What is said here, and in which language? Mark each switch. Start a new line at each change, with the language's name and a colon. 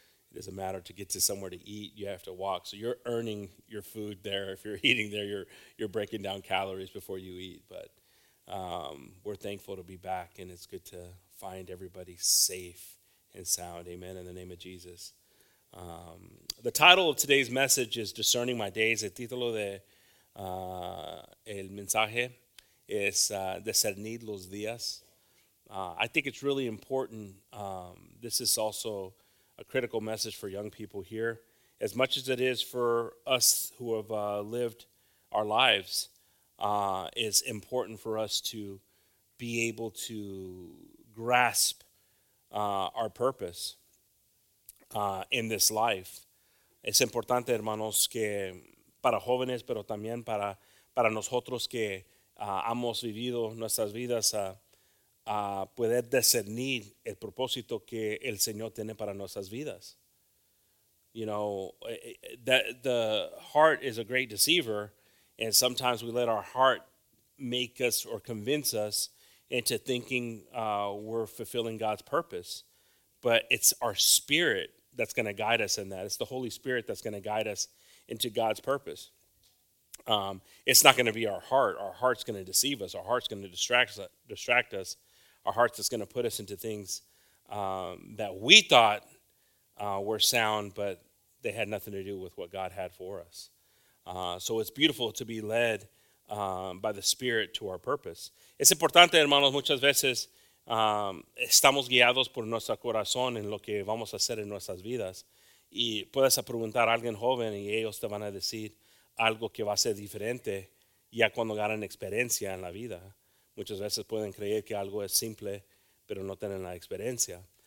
English: It doesn't matter to get to somewhere to eat. You have to walk. So you're earning your food there. If you're eating there, you're breaking down calories before you eat. But we're thankful to be back, and it's good to find everybody safe and sound. Amen, in the name of Jesus. The title of today's message is Discerning My Days.
Spanish: El título de el mensaje es Discernir los días.
English: I think it's really important. This is also a critical message for young people here, as much as it is for us who have lived our lives. It's important for us to be able to grasp our purpose in this life.
Spanish: Es importante, hermanos, que para jóvenes, pero también para nosotros que hemos vivido nuestras vidas, poder discernir el propósito que el Señor tiene para nuestras vidas.
English: You know, the heart is a great deceiver, and sometimes we let our heart make us or convince us into thinking we're fulfilling God's purpose. But it's our spirit that's going to guide us in that. It's the Holy Spirit that's going to guide us into God's purpose. It's not going to be our heart. Our heart's going to deceive us. Our heart's going to distract us. Our heart's just going to put us into things that we thought were sound, but they had nothing to do with what God had for us. So it's beautiful to be led by the Spirit to our purpose.
Spanish: Es importante, hermanos, muchas veces estamos guiados por nuestro corazón en lo que vamos a hacer en nuestras vidas. Y puedes preguntar a alguien joven y ellos te van a decir algo que va a ser diferente ya cuando ganan experiencia en la vida. Muchas veces pueden creer que algo es simple, pero no tienen la experiencia.